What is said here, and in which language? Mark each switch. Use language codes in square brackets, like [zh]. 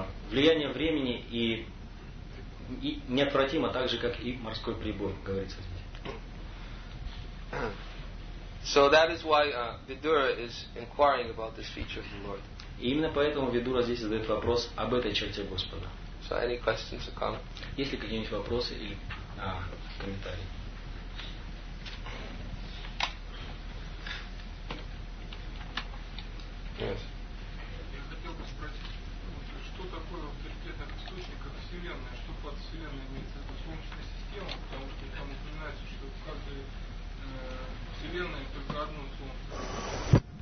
[ru] Влияние времени и неотвратимо, так же как и морской прибой, говорится. [en] So that is why Vidura is inquiring about this feature of the Lord. [ru] И именно поэтому Видура здесь задает вопрос об этой черте Господа. [en] So any questions or comments? [ru] Есть ли какие-нибудь вопросы или комментарии? Я хотел бы спросить, что такое в авторитетных источниках Вселенная, что под Вселенной имеется в виду Солнечная система, потому что там упоминается, что в каждой Вселенной только одно Солнце.